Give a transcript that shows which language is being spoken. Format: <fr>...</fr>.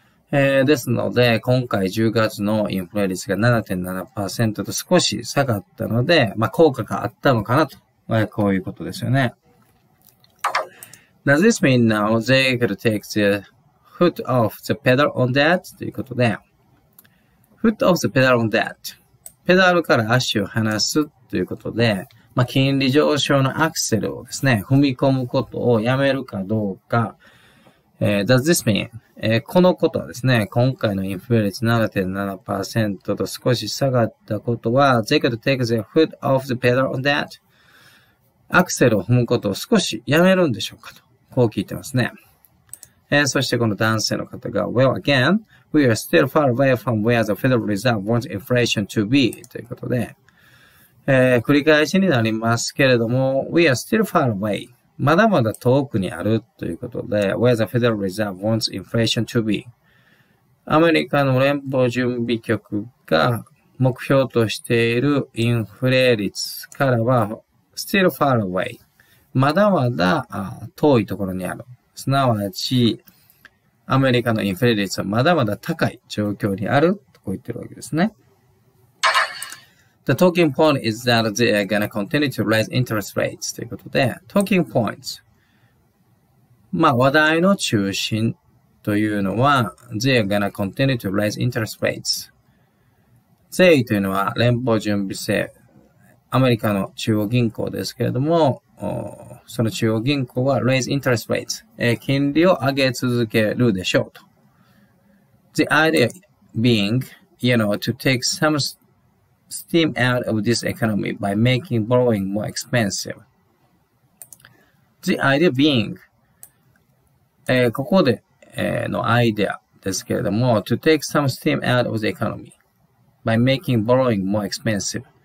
<ja>ですので、今回10月のインフレ率が 7.7% と少し下がったので、まあ効果があったのかなと、まあ、こういうことですよね。</ja> <en>Does this mean now they could take the foot off the pedal on that?</en> <ja>ということで、</ja> <en>foot off the pedal on that。</en> <ja>ペダルから足を離すということで、まあ金利上昇のアクセルをですね、踏み込むことをやめるかどうか、</ja> <en>Does this mean?、</en> <ja>このことはですね、今回のインフレ率 7.7% と少し下がったことは、</ja> <en>They could take the foot off the pedal on that.</en> <ja>アクセルを踏むことを少しやめるんでしょうかと、こう聞いてますね。そしてこの男性の方が、</ja> <en>Well, again, we are still far away from where the Federal Reserve wants inflation to be.</en> <ja>ということで、繰り返しになりますけれども、</ja> <en>We are still far away.</en> <ja>まだまだ遠くにあるということで、</ja> <en>where the Federal Reserve wants inflation to be.</en> <ja>アメリカの連邦準備局が目標としているインフレ率からは、</ja> <en>still far away.</en> <ja>まだまだ遠いところにある。すなわち、アメリカのインフレ率はまだまだ高い状況にある、とこう言ってるわけですね。</ja> <en>The talking point is that they are gonna continue to raise interest rates</en> <ja>ということで、</ja> <en>talking points。</en> <ja>まあ、話題の中心というのは、</ja> <en>they are gonna continue to raise interest rates。</en> <ja>they というのは連邦準備制、アメリカの中央銀行ですけれども、その中央銀行は</ja> <en>raise interest rates。</en> <ja>金利を上げ続けるでしょうと。</ja> <en>The idea being, you know, to take some steam out of this economy by making borrowing more expensive. The idea being,、</en> <ja>ここで、のアイデアですけれども、</ja> <en>to take some steam out of the economy by making borrowing more expensive.</en>